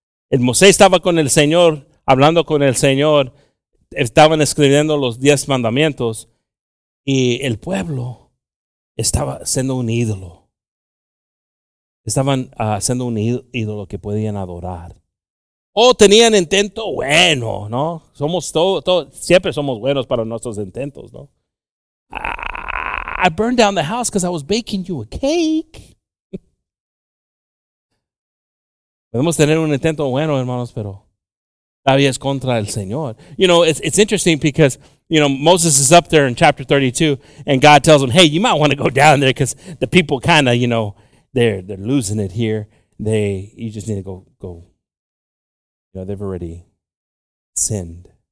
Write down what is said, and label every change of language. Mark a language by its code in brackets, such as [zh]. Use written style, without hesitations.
[es] El Moisés estaba con el Señor, hablando con el Señor, estaban escribiendo los 10 mandamientos y el pueblo estaba haciendo un ídolo. Estaban haciendo un ídolo que podían adorar. Tenían intento bueno, ¿no? Somos todo, siempre somos buenos para nuestros intentos, ¿no? [en] I burned down the house because I was baking you a cake. [es] Podemos tener un intento bueno, hermanos, pero todavía es contra el Señor. [en] You know, it's interesting because, you know, Moses is up there in chapter 32 and God tells him, hey, you might want to go down there because the people kind of, you know, they're losing it here. You just need to go. You know, they've already sinned.